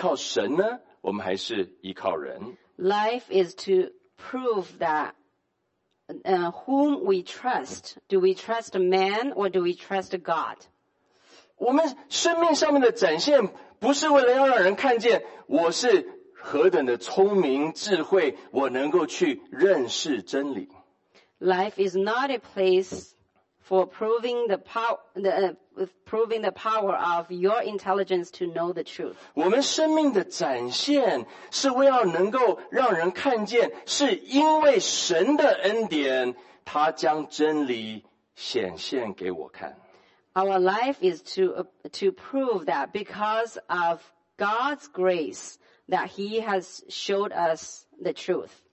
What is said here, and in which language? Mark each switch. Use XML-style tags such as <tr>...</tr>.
<zh>我们生命当中的展现，弟兄姐妹，是为了要能够证实我们依靠的是谁？我们是依靠神呢？我们还是依靠人？</zh> <en>Life is to prove that whom we trust. Do we trust man or do we trust God?</en> <zh>我们生命上面的展现不是为了要让人看见我是何等的聪明智慧，我能够去认识真理。Life</zh> <en>is not a place for proving the power power of your intelligence to know the truth.</en> <zh>我们生命的展现是为要能够让人看见，是因为神的恩典，他将真理显现给我看。Our</zh> <en>life is to prove that because of God's grace that He has showed us the truth.</en>